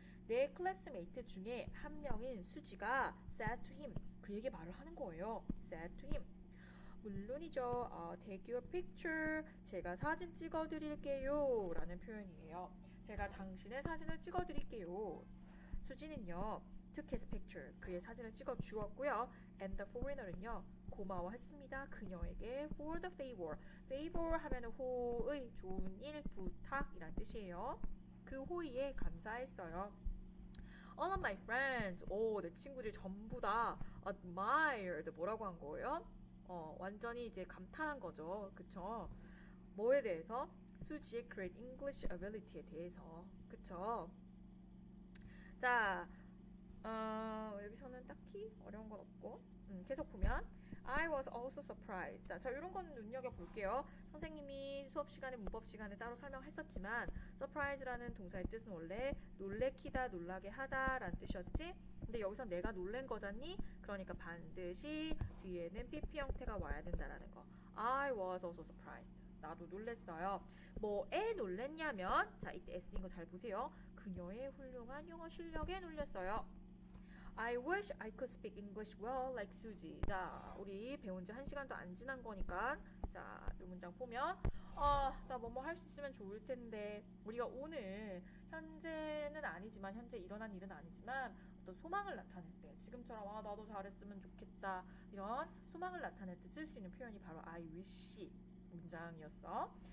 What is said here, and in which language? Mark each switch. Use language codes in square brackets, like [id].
[ko] 내 클래스메이트 중에 한 명인 수지가 [en] said to him [ko] 그 얘기 말을 하는 거예요. [en] said to him. [ko] 물론이죠. [en] Take your picture. [ko] 제가 사진 찍어드릴게요. 라는 표현이에요. 제가 당신의 사진을 찍어드릴게요. 수지는요, [en] took his picture. [ko] 그의 사진을 찍어주었고요. [en] And the foreigner은요, [ko] 고마워했습니다. 그녀에게 [en] for the favor. [ko] favor 하면 호의, 좋은 일, 부탁이란 뜻이에요. 그 호의에 감사했어요. [en] All of my friends. [ko] 오, 내 친구들이 전부 다 admired. 뭐라고 한 거예요? 완전히 이제 감탄한 거죠. 그쵸? 뭐에 대해서? 수지의 [en] great English ability [ko] 에 대해서. 그쵸? 자, 여기서는 딱히 어려운 건 없고. 계속 보면. [en] I was also surprised. [ko] 자, 이런 건 눈여겨볼게요. 선생님이 수업 시간에, 문법 시간에 따로 설명했었지만, surprise라는 동사의 뜻은 원래 놀래키다, 놀라게 하다라는 뜻이었지? 근데 여기서 내가 놀란 거잖니? 그러니까 반드시 뒤에는 PP 형태가 와야 된다라는 거. [en] I was also surprised. [ko] 나도 놀랬어요. 뭐에 놀랬냐면, 자, 이때 S인 거잘 보세요. 그녀의 훌륭한 영어 실력에 놀렸어요. [en] I wish I could speak English well like Suzy. [ko] 자, 우리 배운 지한 시간도 안 지난 거니까. 자, 이 문장 보면, 나 뭐뭐 할수 있으면 좋을 텐데. 우리가 오늘, 현재는 아니지만, 현재 일어난 일은 아니지만, 어떤 소망을 나타낼 때, 지금처럼, 나도 잘했으면 좋겠다. 이런 소망을 나타낼 때쓸수 있는 표현이 바로 I wish 문장이었어.